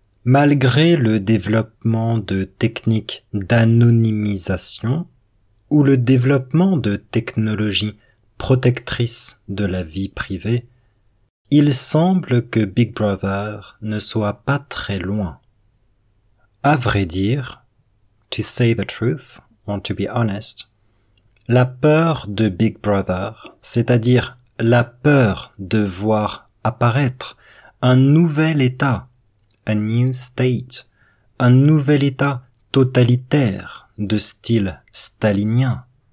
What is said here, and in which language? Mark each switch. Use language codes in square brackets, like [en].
[fr] malgré le développement de techniques d'anonymisation ou le développement de technologies protectrices de la vie privée, il semble que Big Brother ne soit pas très loin. À vrai dire, [en] to say the truth, or to be honest, [fr] la peur de Big Brother, c'est-à-dire la peur de voir apparaître un nouvel état, [en] a new state, [fr] un nouvel état totalitaire de style stalinien.